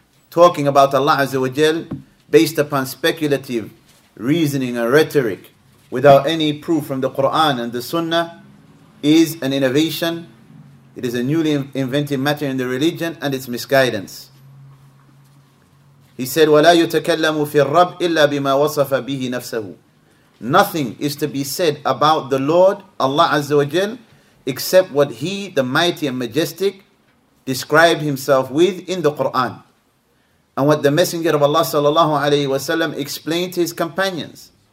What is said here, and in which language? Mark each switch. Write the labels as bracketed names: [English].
[English] Talking about Allah Azza wa Jalla based upon speculative reasoning and rhetoric without any proof from the Quran and the Sunnah is an innovation. It is a newly invented matter in the religion and it's misguidance. He said, [Arabic] وَلَا يُتَكَلَّمُ فِي الرَّبْ إِلَّا بِمَا وَصَفَ بِهِ نَفْسَهُ. [English] Nothing is to be said about the Lord, Allah Azza wa Jal, except what He, the Mighty and Majestic, described Himself with in the Qur'an. And what the Messenger of Allah Sallallahu Alaihi Wasallam explained to His companions.